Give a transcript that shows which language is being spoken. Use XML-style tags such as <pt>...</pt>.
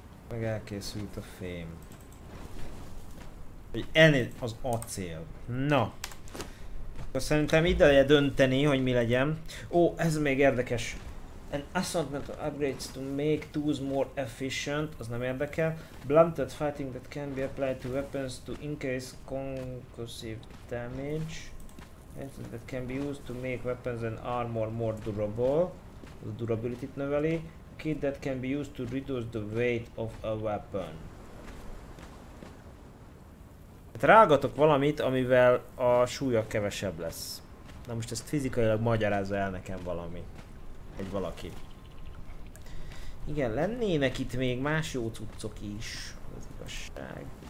<hu>Meg elkészült a fém. Hogy ennél az acél. Na. Akkor szerintem ide lehet dönteni, hogy mi legyen. Ó, ez még érdekes.</hu> <en>An assortment of upgrades to make tools more efficient.</en> <hu>Az nem érdekel.</hu> <en>Blunted fighting that can be applied to weapons to increase concussive damage. Anything that can be used to make weapons and armor more durable.</en> <hu>Az a durability-t növeli.</hu> <en>Kit that can be used to reduce the weight of a weapon.</en> <hu>Hát rágatok valamit, amivel a súlya kevesebb lesz. Na most ezt fizikailag magyarázza el nekem valami. Egy valaki. Igen, lennének itt még más jó cuccok is. Az igazság.</hu>